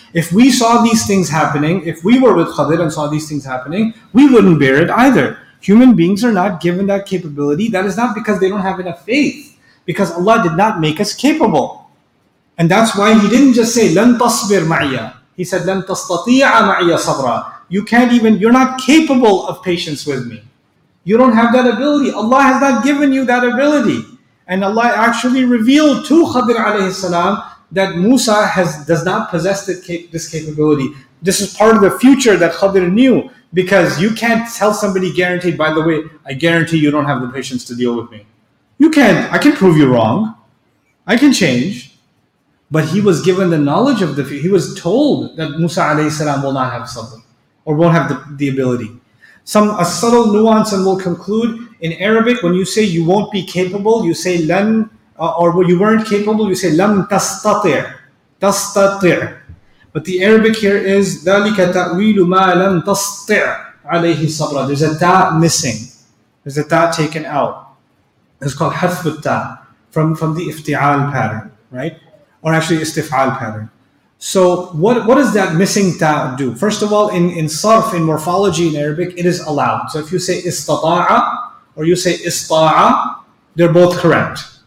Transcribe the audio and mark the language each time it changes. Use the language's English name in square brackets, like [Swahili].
[English] If we saw these things happening, if we were with Khadir and saw these things happening, we wouldn't bear it either. Human beings are not given that capability. That is not because they don't have enough faith. Because Allah did not make us capable. And that's why he didn't just say, [Arabic] لَن تَصْبِرْ مَعِيَا. [English] He said, [Arabic] لَن تَسْتَطِيعَ مَعِيَا صَبْرًا. [English] You can't even, you're not capable of patience with me. You don't have that ability. Allah has not given you that ability. And Allah actually revealed to Khadir alayhi salam that Musa does not possess this capability. This is part of the future that Khadir knew. Because you can't tell somebody guaranteed, by the way, I guarantee you don't have the patience to deal with me. You can't, I can prove you wrong. I can change. But he was given the knowledge of the future. He was told that Musa alayhi salam will not have sabr. Or won't have the ability. A subtle nuance, and we'll conclude. In Arabic, when you say you won't be capable, you say lan, or you weren't capable, you say [Arabic] lam tastatir. [English] Tastatir. But the Arabic here is [Arabic] ذَلِكَ تَأْوِيلُ مَا لَمْ تَسْطِعْ عَلَيْهِ صَبْرًا. [English] There's a ta missing. There's a ta taken out. It's called حَفْبُ ta from the افتعال pattern, right? Or actually استفعال pattern. So what does that missing ta do? First of all, in sarf, in morphology in Arabic, it is allowed. So if you say istata'a or you say ista'a, they're both correct.